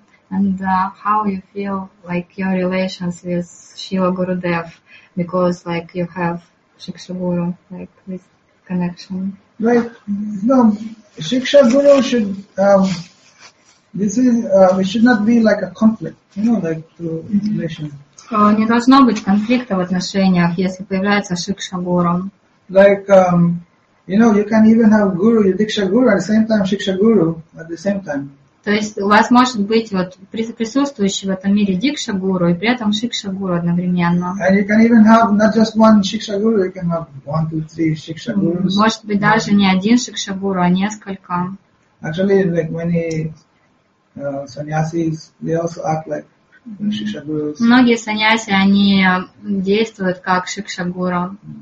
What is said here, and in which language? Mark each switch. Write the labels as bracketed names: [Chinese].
[English] And how you feel like your relations with Shiva Gurudev because like you have Shiksha Guru like this connection? Like no, Shiksha Guru should it should not be like a conflict, like to relation. [Russian] Не должно быть конфликта в отношениях, если появляется Шикша Гуру. [English] Like you can even have Guru, Yudhiksha Guru at the same time Shiksha Guru at the same time. [Russian] То есть у вас может быть вот присутствующий в этом мире дикша гуру и при этом шикша гуру одновременно. [English] And you can even have not just one шикша гуру, you can have 1, 2, 3 шикша гурус. [Russian] Может быть даже не один шикша гуру, а несколько. [English] Actually, like many sannyasis, they also act like шикша гурус. [Russian] Многие саньяси они действуют как шикша гуру.